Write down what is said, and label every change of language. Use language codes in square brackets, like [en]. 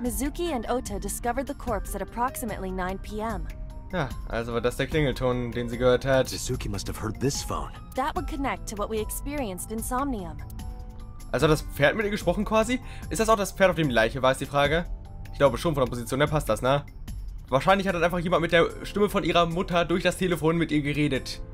[en] Mizuki and Ota discovered the corpse at approximately 9 p.m. [de] Ja, also war das der Klingelton, den sie gehört hat. [en] Mizuki must have heard this phone. That would connect to what we experienced in Somnium. [de] Also hat das Pferd mit ihr gesprochen quasi? Ist das auch das Pferd, auf dem die Leiche war, ist die Frage? Ich glaube schon, von der Position her passt das, ne? Wahrscheinlich hat dann einfach jemand mit der Stimme von ihrer Mutter durch das Telefon mit ihr geredet.